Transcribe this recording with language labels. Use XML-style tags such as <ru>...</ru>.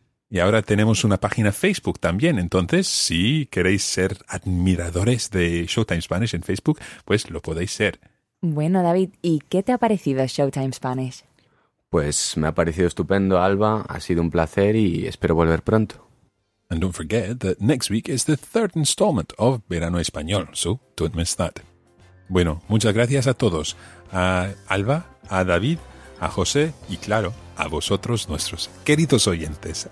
<es>Y ahora tenemos una página Facebook también, entonces si queréis ser admiradores de Showtime Spanish en Facebook, pues lo podéis ser. Bueno, David, ¿y qué te ha parecido Showtime Spanish? Pues me ha parecido estupendo, Alba. Ha sido un placer y espero volver pronto.</es> <en>And don't forget that next week is the third installment of Verano Español, so don't miss that.</en> <es>Bueno, muchas gracias a todos, a Alba, a David, a José y claro, a vosotros nuestros queridos oyentes.</es>